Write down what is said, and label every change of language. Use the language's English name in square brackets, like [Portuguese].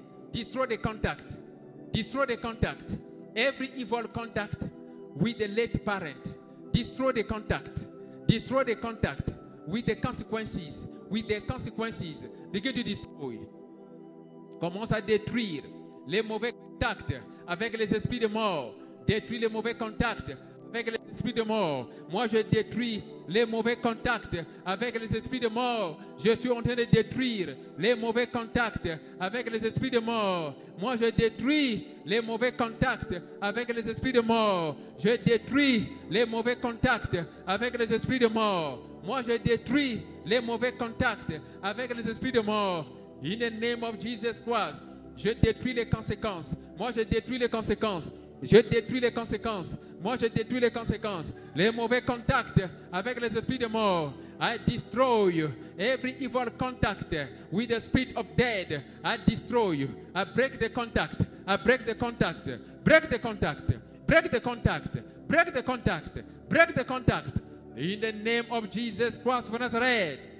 [English] Destroy the contact with the spirit of death. Every evil contact with the late parent. Destroy the contact with the consequences. Begin to destroy. [French] commence à détruire les mauvais contacts avec les esprits de mort. Détruis les mauvais contacts avec les esprits de mort. Moi, je détruis les mauvais contacts avec les esprits de mort. Je suis en train de détruire les mauvais contacts avec les esprits de mort. Moi, je détruis les mauvais contacts avec les esprits de mort. Je détruis les mauvais contacts avec les esprits de mort. Moi, je détruis les mauvais contacts avec les esprits de mort. [English] In the name of Jesus Christ, [French] je détruis les conséquences. Moi, je détruis les conséquences. Je détruis les conséquences. Moi, je détruis les conséquences. Les mauvais contacts avec les esprits de mort. [English] I destroy every evil contact with the spirit of dead. I destroy. I break the contact. I break the contact. Break the contact. Break the contact. Break the contact. Break the contact. In the name of Jesus Christ of Nazareth.